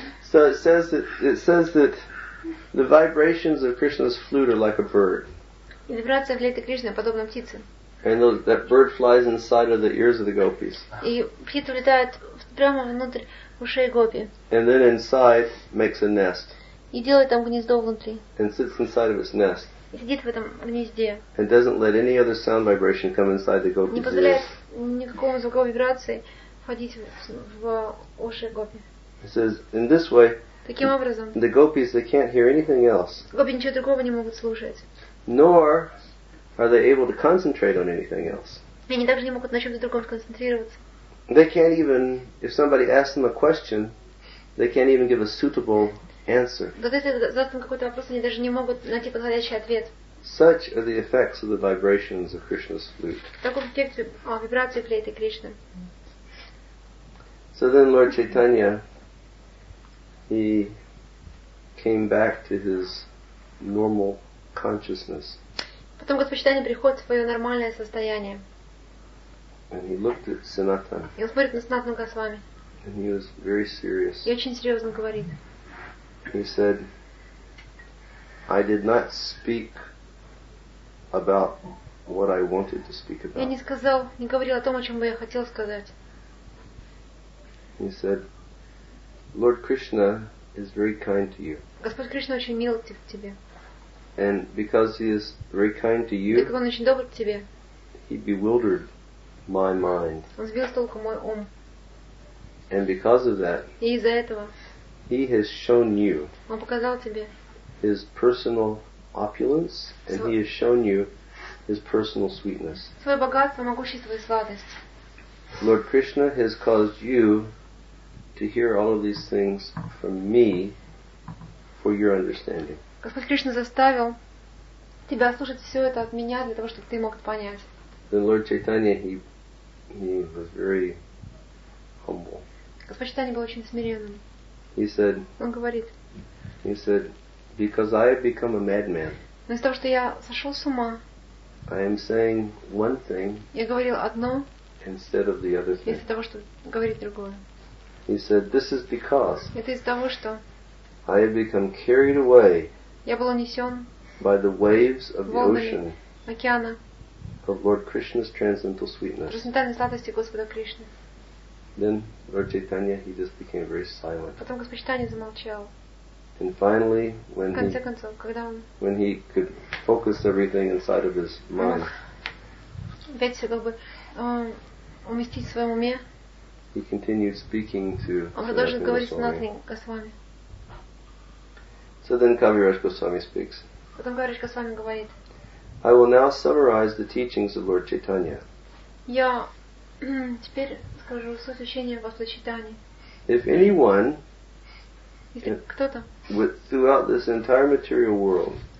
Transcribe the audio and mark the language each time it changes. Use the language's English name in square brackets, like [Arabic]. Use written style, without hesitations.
[English] So it says that the vibrations of Krishna's flute are like a bird. [Russian] И вибрация флейты Кришны подобна птице. [English] And those, that bird flies inside of the ears of the gopis. [Russian] И птица влетает прямо внутрь ушей гопи. [English] And then inside makes a nest. [Russian] И делает там гнездо внутри. [English] And sits inside of its nest. [Russian] И сидит в этом гнезде. [English] And doesn't let any other sound vibration come inside the gopi's ears. [Russian] Не позволяет никакому звуковой вибрации входить в уши гопи. [English] It says in this way. [Russian] Таким образом. [English] The gopis, they can't hear anything else. [Russian] Гопи ничего другого не могут слушать. [English] Nor are they able to concentrate on anything else? [Russian] Они также не могут на чем-то другом сконцентрироваться. [English] They can't even, if somebody asks them a question, they can't even give a suitable answer. [Russian] Они даже не могут найти подходящий ответ. [English] Such are the effects of the vibrations of Krishna's flute. [Russian] Таков эффект вибрации флейты Кришны. [English] So then, Lord Chaitanya, he came back to his normal consciousness. [Russian] Потом Господь Чайтанья приходит в свое нормальное состояние. [English] And he looked at Sanatana. [Russian] И он смотрит на Санатану Госвами. [English] And he was very serious. [Russian] И очень серьезно говорит. [English] He said, I did not speak about what I wanted to speak about. [Russian] Я не сказал, не говорил о том, о чем бы я хотел сказать. [English] He said, Lord Krishna is very kind to you. [Russian] Господь Кришна очень мил к тебе. [English] And because he is very kind to you, [Russian] так он очень добр к тебе. [English] He bewildered my mind. [Russian] Он сбил с толку мой ум. [English] And because of that, [Russian] и из-за этого, [English] he has shown you, [Russian] он показал тебе, [English] his personal opulence, and he has shown you his personal sweetness. [Russian] Свое богатство, могущество и сладость. [English] Lord Krishna has caused you to hear all of these things from me for your understanding. [Russian] Господь Кришна заставил тебя слушать все это от меня для того, чтобы ты мог понять. [English] Then Lord Chaitanya, he was very humble. [Russian] Господь Чайтанья был очень смиренным. [English] He said. [Russian] Он говорит. [English] He said, because I have become a madman. [Russian] Но из-за того, что я сошел с ума. [English] I am saying one thing. [Russian] Я говорил одно. [English] Instead of the other thing. [Russian] Вместо того, чтобы говорить другое. [English] He said, this is because. [Russian] Это из-за того, что. [English] I have become carried away. [Russian] Я был унесен [English] by the waves of the ocean [Russian] океана [English] of Lord Krishna's transcendental sweetness. [Russian] Трансцендентной сладости Господа Кришны. [English] Then Lord Chaitanya, he just became very silent. [Russian] Потом Господь Чайтанья замолчал. [English] And finally, when [Russian] конце концов, когда он [English] when he could focus everything inside of his mind, [Russian] ведь чтобы уместить в своем уме, [English] he continued speaking to [Russian] он продолжил говорить с Санатаной Госвами. [English] So then Kaviraj Goswami speaks. [Russian] Потом Кавираж Госвами говорит. [English] I will now summarize the teachings of Lord Chaitanya. [Russian] Я теперь скажу суть учения Господа Чайтаньи. [English] If anyone, [Russian] кто-то, [English] throughout this entire material world,